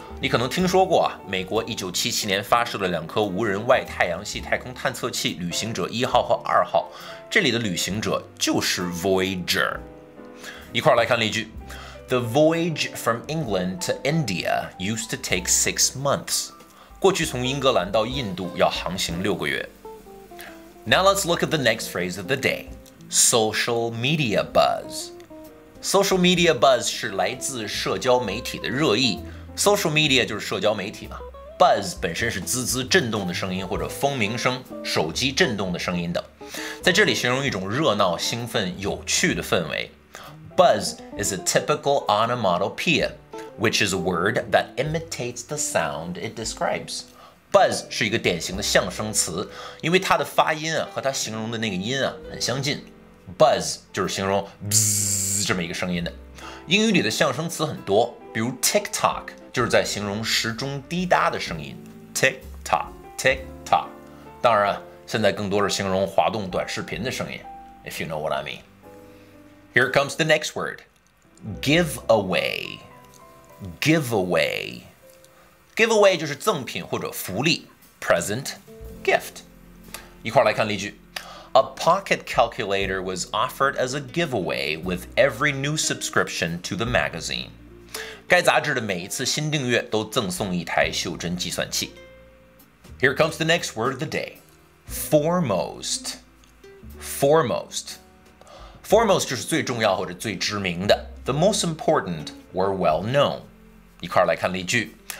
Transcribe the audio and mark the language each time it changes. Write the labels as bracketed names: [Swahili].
[Chinese] 你可能听说过、啊、美国1977年发射的两颗无人外太阳系太空探测器旅行者1号和2号。这里的旅行者就是 Voyager. 一块来看例句。 [English] The voyage from England to India used to take 6 months. [Chinese] 过去从英格兰到印度要航行6个月。 [English] Now let's look at the next phrase of the day. [Chinese] Social media buzz. Social media buzz 是来自社交媒体的热议。 Social media 就是社交媒体嘛。 Buzz 本身是滋滋震动的声音或者蜂鸣声、手机震动的声音等。在这里形容一种热闹、兴奋、有趣的氛围。 [English] Buzz is a typical onomatopoeia, which is a word that imitates the sound it describes. [Chinese] Buzz 是一个典型的象声词，因为它的发音、啊、和它形容的那个音、啊、很相近。 Buzz 就是形容 bzzz 这么一个声音的。英语里的象声词很多，比如 TikTok 就是在形容时钟滴答的声音 ，TikTok TikTok。当然，现在更多是形容滑动短视频的声音 ， [English] If you know what I mean。 Here comes the next word， giveaway， giveaway。 [Chinese] Giveaway 就是赠品或者福利 ，present, gift。一块来看例句 [English] ：A pocket calculator was offered as a giveaway with every new subscription to the magazine。 [Chinese] 该杂志的每一次新订阅都赠送一台袖珍计算器。 [English] Here comes the next word of the day: foremost, foremost, foremost [Chinese] 就是最重要或者最知名的 [English] ，the most important or well known。 [Chinese] 一块来看例句。